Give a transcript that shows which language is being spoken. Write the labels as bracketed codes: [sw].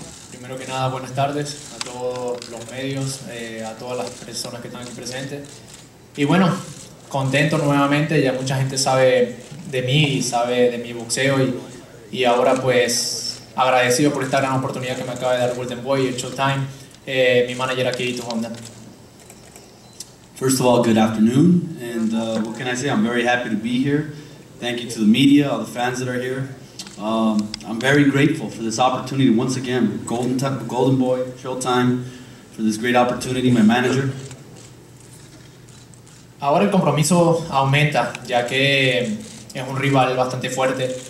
[es] Primero que nada, buenas tardes a todos los medios, a todas las personas que están aquí presentes. Y bueno, contento nuevamente, ya mucha gente sabe de mí y sabe de mi boxeo y ahora pues agradecido por esta gran oportunidad que me acaba de dar Golden Boy y Showtime, mi manager aquí, Vito Honda. [en] First of all, good afternoon, and what can I say, I'm very happy to be here. Thank you to the media, all the fans that are here. I'm very grateful for this opportunity once again, Golden Boy, Showtime, for this great opportunity, my manager. [es] Ahora el compromiso aumenta, ya que es un rival bastante fuerte.